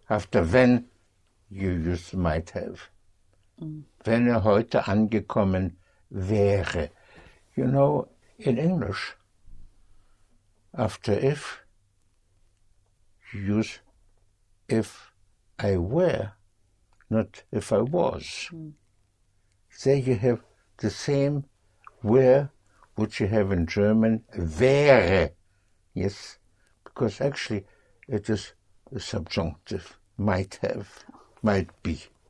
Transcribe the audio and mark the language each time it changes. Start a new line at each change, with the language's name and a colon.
English: After when, you use might have.
German: Wenn er heute angekommen wäre.
English: You know, in English, after if, you use if I were, not if I was. There you have the same where which you have in German, wäre, yes, because actually it is a subjunctive, might have, might be.